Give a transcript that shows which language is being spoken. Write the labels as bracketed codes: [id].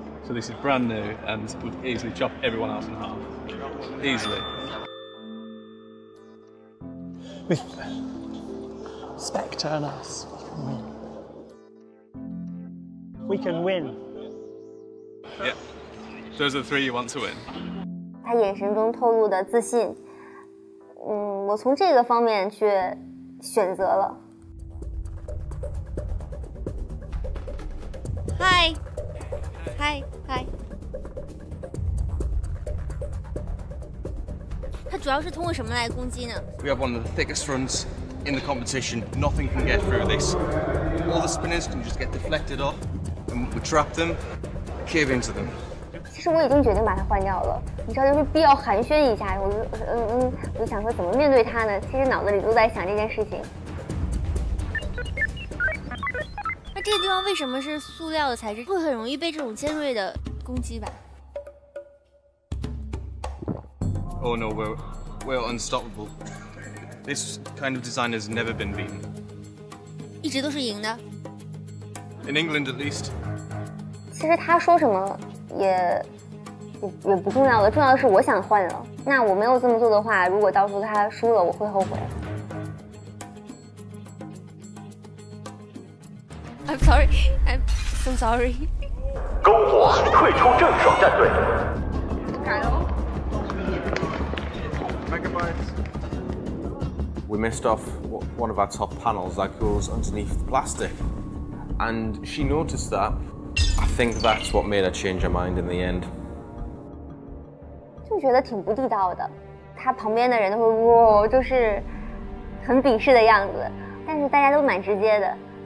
[en] So this is brand new, and would easily chop everyone else in half. Easily. With Spectre and us, we can win. Yep. Those are the three you want to win. [zh] 他眼神中透露的自信，我从这个方面去选择了。嗨，嗨嗨，他主要是通过什么来攻击呢 [en] ？We have one of the thickest runs in the competition. Nothing can get through this. All the spinners can just get deflected off, and we trap them, cave into them. [zh] 其实我已经决定把它换掉了，你知道，就是必要寒暄一下。我就想说怎么面对他呢？其实脑子里都在想这件事情。这个地方为什么是塑料的材质？会很容易被这种尖锐的攻击吧 [en] ？Oh no, we're unstoppable. This kind of design has never been beaten. [zh] 一直都是赢的。 [en] In England, at least. [zh] 其实他说什么也不重要了，重要的是我想换了。那我没有这么做的话，如果到时候他输了，我会后悔。 [en] I'm so sorry. [zh] 篝火退出正手战队。 [en] We missed off one of our top panels that goes underneath the plastic, and she noticed that. I think that's what made her change her mind in the end. [zh] 就觉得挺不地道的，他旁边的人都会哇，就是很鄙视的样子，但是大家都蛮直接的。